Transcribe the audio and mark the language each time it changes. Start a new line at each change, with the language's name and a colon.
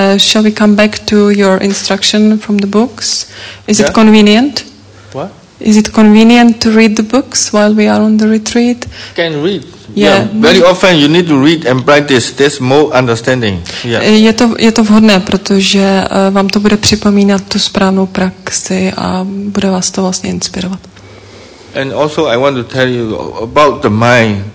English: Shall we come back to your instruction from the books? Is it convenient? What? Is it convenient to read the books while we are on the retreat? Can read. Yeah. Very often you need to read and practice. There's more understanding. Yeah.
Czech: Je to vhodné, protože vám to bude připomínat tu správnou praxi a bude vás to vlastně inspirovat.
English: And also I want to tell you about the mind.